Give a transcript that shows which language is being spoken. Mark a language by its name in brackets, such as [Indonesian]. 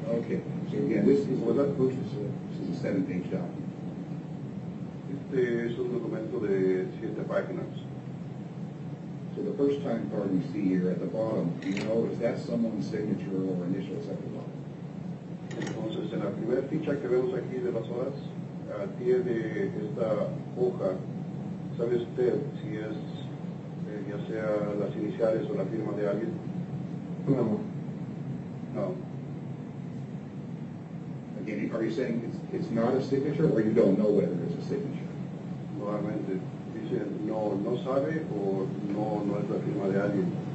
[English] okay. So again, this is what that book is. This is a 7-page document. [Spanish] Este es un documento de 7 páginas. [English] So the first time card we see here at the bottom, do you know if that's someone's signature or initials at the bottom? [Spanish] Entonces en la primera ficha que vemos aquí de las horas, tiene esta hoja, ¿sabe usted si es ya sea las iniciales o la firma de alguien? No. [English] No. Again, are you saying it's not a signature or you don't know whether it's a signature? [Spanish] Nuevamente, dice no sabe o no es la firma de alguien.